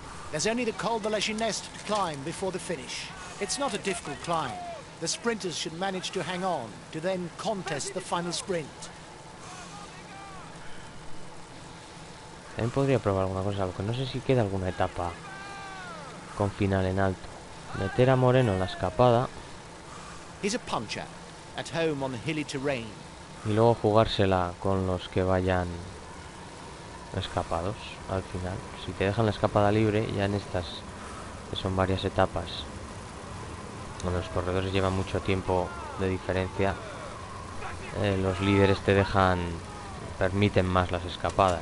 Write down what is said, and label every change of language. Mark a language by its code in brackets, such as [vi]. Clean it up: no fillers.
[en] There's only the Col de la Ginest to climb before the finish. It's not a difficult climb. The sprinters should manage to hang on to then contest the final sprint. [es] También podría probar alguna cosa, aunque no sé si queda alguna etapa con final en alto. Meter a Moreno en la escapada. [en] He's a puncher at home on the hilly terrain. [es] Y luego jugársela con los que vayan escapados al final. Si te dejan la escapada libre, ya en estas, que son varias etapas, cuando los corredores llevan mucho tiempo de diferencia, los líderes te dejan, permiten más las escapadas.